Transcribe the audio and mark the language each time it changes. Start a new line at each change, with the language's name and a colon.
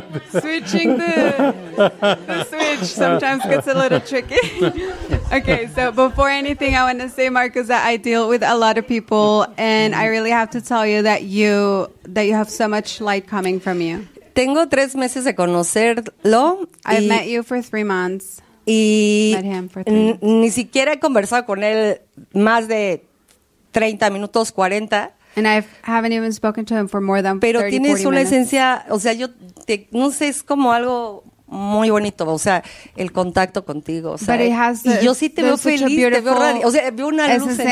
English: Switching the switch sometimes gets a little tricky. Okay, so before anything, I want to say, Marcos, that I deal with a lot of people, and I really have to tell you that you have so much light coming from you.
Spanish: Tengo tres meses de conocerlo.
English: I met you for 3 months.
Spanish: Y ni siquiera he conversado con él más de 30 minutos, 40.
English: And I haven't even spoken to him for more than 30, 40 minutes.
Spanish: Pero tienes una esencia, o sea, yo te, no sé, es como algo muy bonito, o sea, el contacto contigo, o sea,
English: but it has the,
Spanish: y yo sí te veo feliz, te veo radiante, o sea, veo una luz en ti.